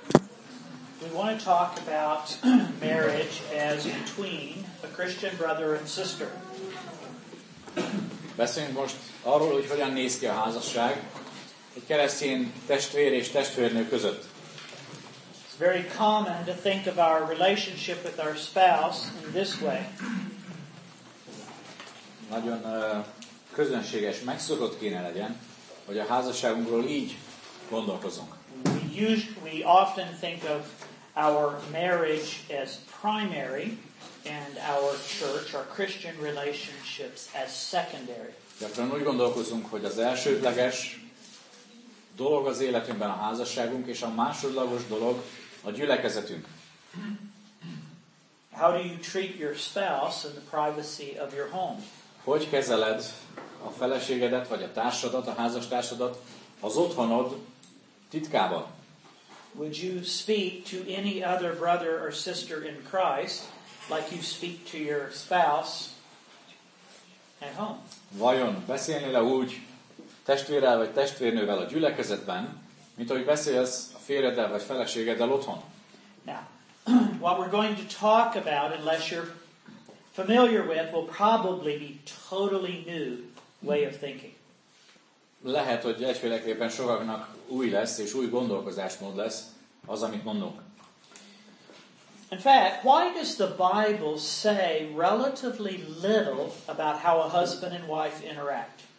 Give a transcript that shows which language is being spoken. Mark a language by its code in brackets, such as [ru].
[en] we want to talk about marriage as between a Christian brother and sister. [hu] Beszéljünk most arról, hogy hogyan néz ki a házasság egy keresztény testvér és testvérnő között. [en] It's very common to think of our relationship with our spouse in this way. [hu] Nagyon közönséges, megszokott kéne legyen, hogy a házasságunkról így gondolkozunk. [en] We often think of our marriage as primary and our church, our Christian relationships as secondary. [hu] Gyakran úgy gondolkozunk, hogy az elsődleges dolog az életünkben a házasságunk, és a másodlagos dolog a gyülekezetünk. [en] How do you treat your spouse in the privacy of your home? [hu] Hogy kezeled a feleségedet, vagy a társadat, a házastársadat az otthonod titkában? [en] Would you speak to any other brother or sister in Christ like you speak to your spouse at home? [hu] Vajon beszélnél-e úgy testvérrel vagy testvérnővel a gyülekezetben, mint ahogy beszélsz a férjeddel vagy feleségeddel otthon? [en] Now, what we're going to talk about, unless you're familiar with, will probably be totally new way of thinking. [hu] Lehet, hogy egyféleképpen sokaknak új lesz és új gondolkozásmód lesz az, amit mondunk. [en] In fact, why does the Bible say relatively little about how a husband and wife interact?